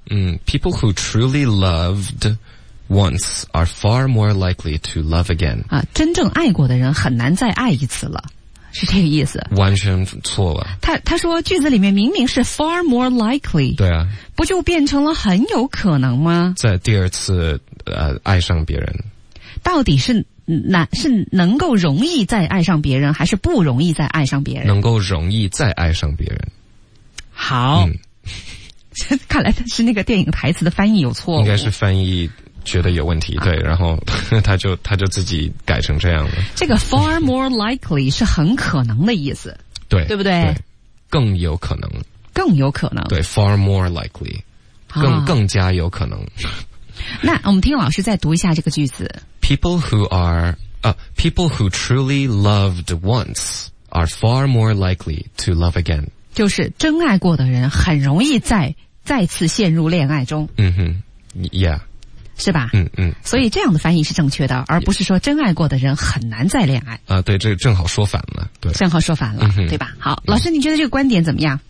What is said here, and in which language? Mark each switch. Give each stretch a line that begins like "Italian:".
English: People who truly lovedOnce are far more likely to love again.
Chinese: 啊，真正爱过的人很难再爱一次了，是这个意思。完全错了。他说句子里面明明是
English: far more likely。
Chinese: 对啊。不就变成了很有可能吗？在第二次爱上别人。到底是能够容易再爱上别人，还是不容易再爱上别人？能够容易再爱上别人。好。看来是那个电影台词的翻译有错误，应该是翻译觉得有问题，对，然后他就自己改成这样了。这个
English: far more likely
Chinese: 是很可能的意思，对，对不对？更有可能，更有可能，对
English: far more likely
Chinese: 更加有可能。那我们听老师再读一下这个句子。
English: People who truly loved once are far more likely to love again.
Chinese: 就是真爱过的人很容易再次陷入恋爱中。嗯哼 ,yeah. 是吧？嗯嗯。所以这样的翻译是正确的，而不是说真爱过的人很难再恋爱。啊，对，这正好说反了，对。正好说反了，对吧？好，老师你觉得这个观点怎么样？